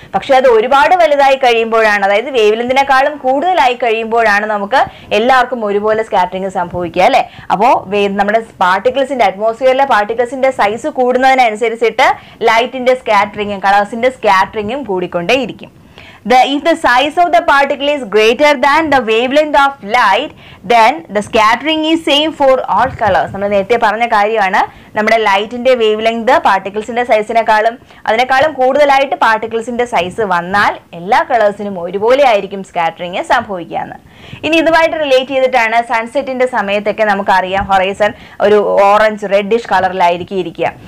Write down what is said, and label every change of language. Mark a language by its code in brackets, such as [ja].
[ml] പക്ഷെ അത് ഒരുപാട് വലുതായി കഴിയുമ്പോഴാണ്, അതായത് വേവ് ലെങ്തിനേക്കാളും കൂടുതലായി കഴിയുമ്പോഴാണ് നമുക്ക് എല്ലാവർക്കും ഒരുപോലെ സ്കാറ്ററിംഗ് സംഭവിക്കുക അല്ലെ. അപ്പോൾ നമ്മുടെ പാർട്ടിക്കിൾസിന്റെ അറ്റ്മോസ്ഫിയറിലെ പാർട്ടിക്കിൾസിന്റെ സൈസ് കൂടുന്നതിനനുസരിച്ചിട്ട് ലൈറ്റിന്റെ സ്കാറ്ററിങ്ങും കളേഴ്സിന്റെ സ്കാറ്ററിങ്ങും കൂടിക്കൊണ്ടേയിരിക്കും. [en] If the size of the particle is greater than the wavelength of light, then the scattering is same for all colors. [ml] നമ്മൾ നേരത്തെ പറഞ്ഞ കാര്യമാണ്, നമ്മുടെ ലൈറ്റിന്റെ വേവ് ലെങ്ത് പാർട്ടിക്കിൾസിന്റെ സൈസിനേക്കാളും അതിനേക്കാളും കൂടുതലായിട്ട് പാർട്ടിക്കിൾസിന്റെ സൈസ് വന്നാൽ എല്ലാ കളേഴ്സിനും ഒരുപോലെ ആയിരിക്കും സ്കാറ്ററിങ് സംഭവിക്കാന്ന്. ഇനി ഇതുമായിട്ട് റിലേറ്റ് ചെയ്തിട്ടാണ് സൺസെറ്റിന്റെ സമയത്തൊക്കെ നമുക്കറിയാം ഹൊറൈസൺ ഒരു ഓറഞ്ച് റെഡിഷ് കളറിലായിരിക്കും ഇരിക്കുക.